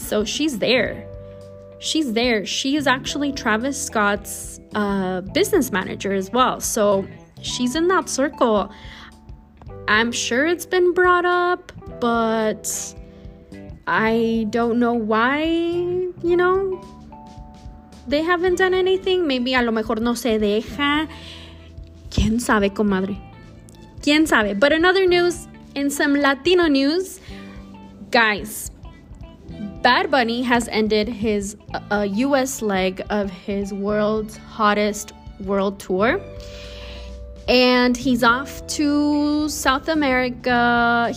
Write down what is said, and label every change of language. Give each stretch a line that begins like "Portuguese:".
English: So she's there. She's there. She is actually Travis Scott's business manager as well. So she's in that circle. I'm sure it's been brought up, but I don't know why, you know, they haven't done anything.
Spanish: Maybe a lo mejor no se deja. ¿Quién sabe, comadre? ¿Quién sabe?
English: But in other news, in some Latino news, guys, Bad Bunny has ended his U.S. leg of his world's hottest world tour. And he's off to South America.